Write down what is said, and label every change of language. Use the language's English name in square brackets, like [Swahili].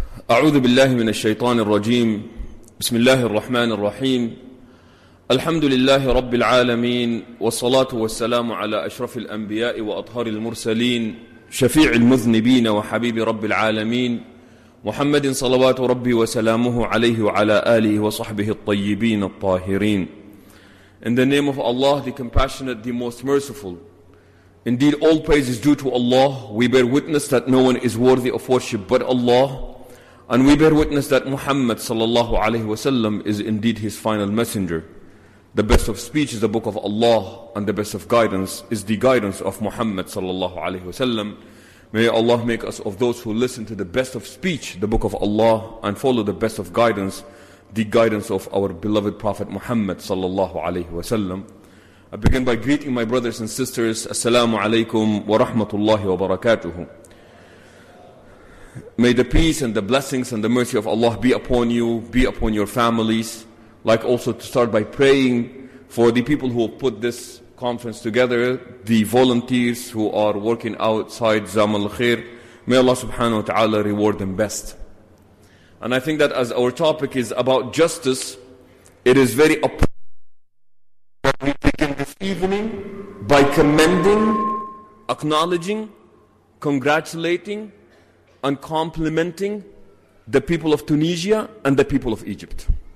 [Arabic] أعوذ بالله من الشيطان الرجيم بسم الله الرحمن الرحيم الحمد لله رب العالمين والصلاة والسلام على أشرف الأنبياء وأطهر المرسلين شفيع المذنبين وحبيب رب العالمين محمد صلوات ربي وسلامه عليه وعلى آله وصحبه الطيبين الطاهرين [English] In the name of Allah, the compassionate, the most merciful. Indeed, all praise is due to Allah. We bear witness that no one is worthy of worship but Allah. And we bear witness that Muhammad sallallahu alaihi wasallam is indeed his final messenger. The best of speech is the book of Allah, and the best of guidance is the guidance of Muhammad sallallahu alaihi wasallam. May Allah make us of those who listen to the best of speech, the book of Allah, and follow the best of guidance, the guidance of our beloved Prophet Muhammad sallallahu alaihi wasallam. I begin by greeting my brothers and sisters. [Arabic] Assalamu alaikum wa rahmatullahi wa barakatuhu. [English] May the peace and the blessings and the mercy of Allah be upon you, be upon your families. Like also to start by praying for the people who have put this conference together, the volunteers who are working outside Zamal Khair. May Allah subhanahu wa ta'ala reward them best. And I think that as our topic is about justice, it is very appropriate that we begin this evening by commending, acknowledging, congratulating, and complimenting the people of Tunisia and the people of Egypt.